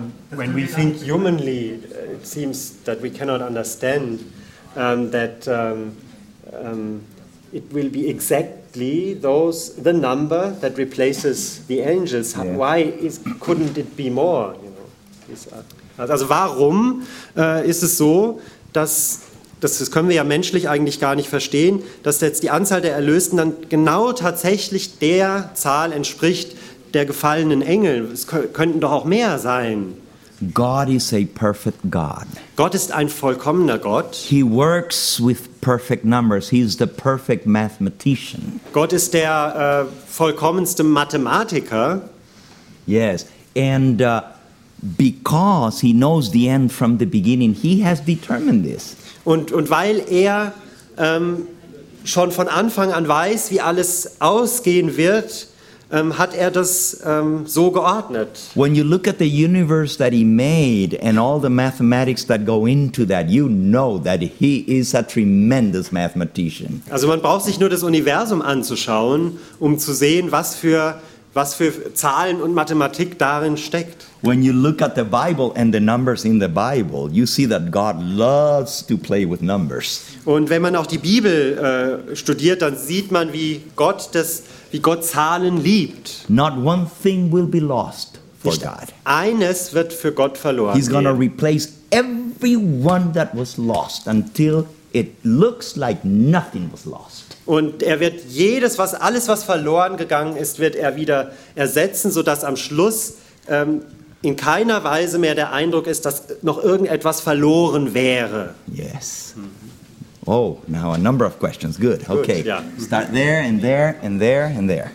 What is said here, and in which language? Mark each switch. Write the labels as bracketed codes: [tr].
[en] When we think humanly, it seems that we cannot understand that it will be exactly those the number that replaces the angels. Yeah. Why couldn't it be more? [de] Also warum ist es so, dass das können wir ja menschlich eigentlich gar nicht verstehen, dass jetzt die Anzahl der Erlösten dann genau tatsächlich der Zahl entspricht, der gefallenen Engel, es könnten doch auch mehr sein. [en] God is a perfect God. [de] Gott ist ein vollkommener Gott. [en] He works with perfect numbers. He is the perfect mathematician. [de] Gott ist der vollkommenste Mathematiker. [en] Yes, and because he knows the end from the beginning, he has determined this. [de] Und weil er schon von Anfang an weiß, wie alles ausgehen wird, hat er das so geordnet. [en] When you look at the universe that he made and all the mathematics that go into that, you know that he is a tremendous mathematician. [de] Also man braucht sich nur das Universum anzuschauen, um zu sehen, was für Zahlen und Mathematik darin steckt. [en] When you look at the Bible and the numbers in the Bible, you see that God loves to play with numbers. [de] Und wenn man auch die Bibel studiert, dann sieht man, wie Gott Zahlen liebt. [en] Not one thing will be lost for God. [de] Eines wird für Gott verloren. [en] He's going to replace every everyone that was lost until it looks like nothing was lost. [de] Und er wird jedes, was alles, was verloren gegangen ist, wird er wieder ersetzen, sodass am Schluss in keiner Weise mehr der Eindruck ist, dass noch irgendetwas verloren wäre. [en] Yes. Mhm. Oh, now a number of questions. Good. Okay. Good, ja. Start there and there and there and there.